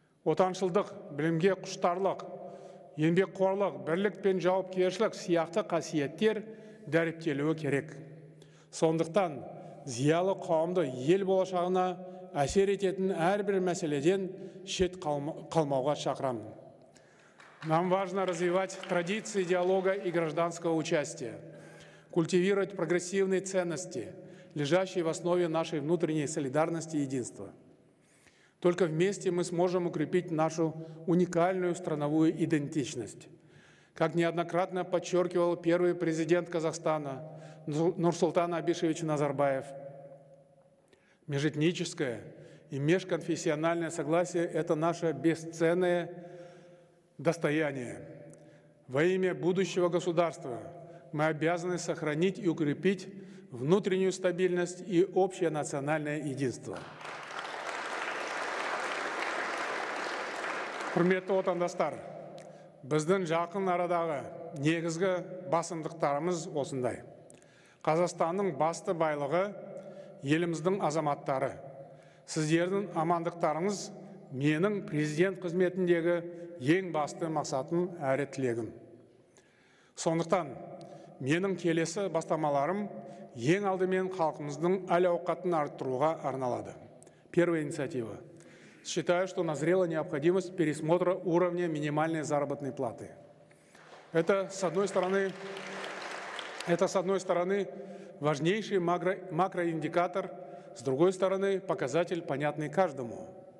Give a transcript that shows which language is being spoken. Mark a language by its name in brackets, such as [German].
[Kazakh] Отаншылдық, білімге құштарлық, еңбекқорлық, бірлік пен жауапкершілік сияқты қасиеттер дәріптелуі керек. Сондықтан зиялы қауымды ел болашағына әсер ететін әрбір мәселеден шет қалмауға шақырамын. [Russian] Нам важно развивать традиции диалога и гражданского участия, культивировать прогрессивные ценности, лежащие в основе нашей внутренней солидарности и единства. Только вместе мы сможем укрепить нашу уникальную страновую идентичность. Как неоднократно подчеркивал первый президент Казахстана Нурсултан Абишевич Назарбаев, межэтническое и межконфессиональное согласие – это наше бесценное достояние. Во имя будущего государства мы обязаны сохранить и укрепить внутреннюю стабильность и общее национальное единство. [Kazakh] Құрметті отандастар, біздің жақын арадағы негізгі басымдықтарымыз осындай. Қазақстанның басты байлығы еліміздің азаматтары. сіздердің амандықтарыңыз менің президент қызметіндегі ең басты мақсатым әрі тілегім. Сондықтан менің келесі бастамаларым ең алдымен халқымыздың әл-ауқатын арттыруға арналады. [Russian] Первая инициатива. Считаю, что назрела необходимость пересмотра уровня минимальной заработной платы. Это, с одной стороны, важнейший макроиндикатор, с другой стороны, показатель, понятный каждому.